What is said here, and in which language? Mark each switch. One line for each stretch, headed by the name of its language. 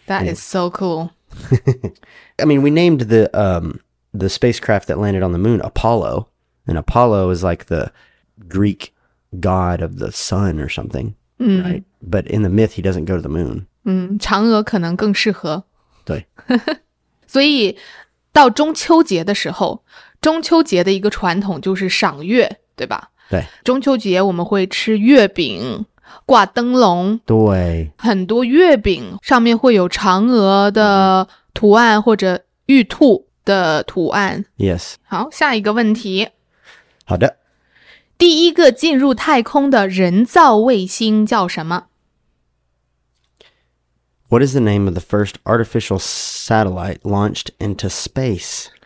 English: That is so cool. I mean, we named the spacecraft that landed on the moon Apollo, and Apollo is like the Greek god of the sun or something, right? But in the myth, he doesn't go to the moon.
Chinese: 嗯，嫦娥可能更适合。对，所以到中秋节的时候，中秋节的一个传统就是赏月，对吧？对，中秋节我们会吃月饼。挂灯笼，对，很多月饼上面会有嫦娥的图案或者玉兔的图案。
English: Yes.
Chinese: 好，下一个问题。好的。第一个进入太空的人造卫星叫什么
English: ？What is the name of the first artificial satellite launched into space?